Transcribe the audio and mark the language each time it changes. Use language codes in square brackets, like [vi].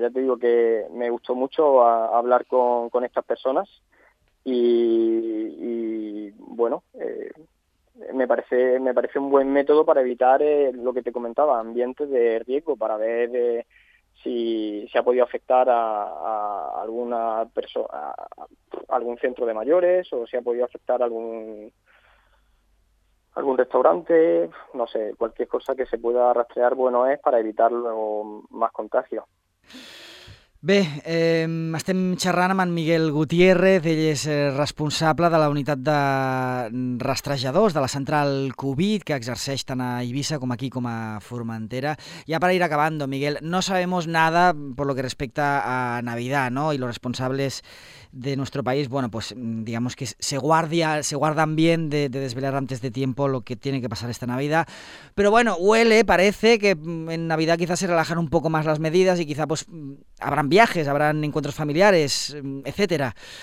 [es] Ya te digo que me gustó mucho hablar con estas personas, y bueno, me parece un buen método para evitar lo que te comentaba, ambientes de riesgo, para ver si se ha podido afectar a alguna persona, a algún centro de mayores, o si ha podido afectar a algún restaurante, no sé, cualquier cosa que se pueda rastrear, bueno, es para evitar más contagios. [ca] Bé, estem xerrant amb en Miguel Gutiérrez, ell és responsable de la unitat de rastrejadors de la central Covid, que exerceix tant a Eivissa com aquí, com a Formentera. Ja [es] per ir acabando, Miguel, no sabemos nada por lo que respecta a Navidad, ¿no? Y los responsables de nuestro país, bueno, pues digamos que se guardan bien de desvelar antes de tiempo lo que tiene que pasar esta Navidad. Pero bueno, huele, parece que en Navidad quizás se relajan un poco más las medidas y quizá pues habrán viajes, habrán encuentros familiares, etcétera.